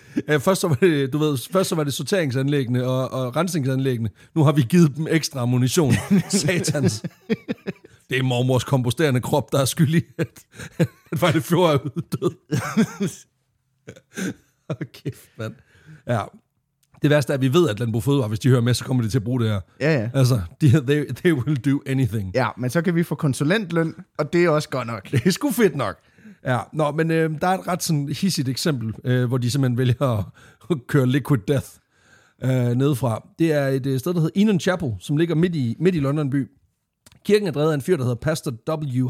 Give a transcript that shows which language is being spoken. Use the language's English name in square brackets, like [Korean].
[Danish] Ja, først så var det sorteringsanlæggene og rensningsanlæggene. Nu har vi givet dem ekstra ammunition. Satans. Det er mormors komposterende krop, der er skyldig, at Vejle Fjord er uddød. Oh, kæft, mand. Ja. Det værste er, at vi ved, at Landbrug Fødevare, hvis de hører med, så kommer de til at bruge det her. Ja, ja. [English] Altså, they will do anything. [Danish] Ja, men så kan vi få konsulentløn, og det er også godt nok. Det er sgu fedt nok. Ja, nå, men der er et ret sådan hissigt eksempel, hvor de simpelthen vælger at køre Liquid Death nedefra. Det er et sted, der hedder Enon Chapel, som ligger midt i London by. Kirken er drevet af en fyr, der hedder Pastor W.